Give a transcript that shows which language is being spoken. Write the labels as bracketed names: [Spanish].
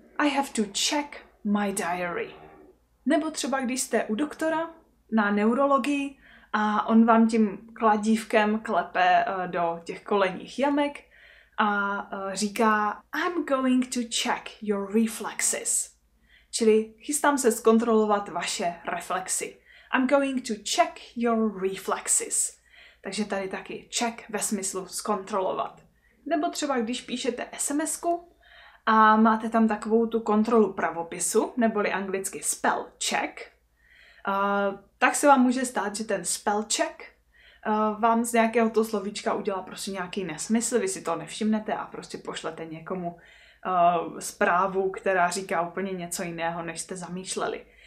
[English] I have to check my diary. [Czech] Nebo třeba když jste u doktora na neurologii a on vám tím kladívkem klepe do těch kolenních jamek a říká [English] I'm going to check your reflexes. [Czech] Čili chystám se zkontrolovat vaše reflexy. [English] I'm going to check your reflexes. [Czech] Takže tady taky check ve smyslu zkontrolovat. Nebo třeba když píšete SMSku a máte tam takovou tu kontrolu pravopisu, neboli anglicky spell check, tak se vám může stát, že ten spell check vám z nějakého toho slovíčka udělá prostě nějaký nesmysl, vy si to nevšimnete a prostě pošlete někomu zprávu, která říká úplně něco jiného, než jste zamýšleli.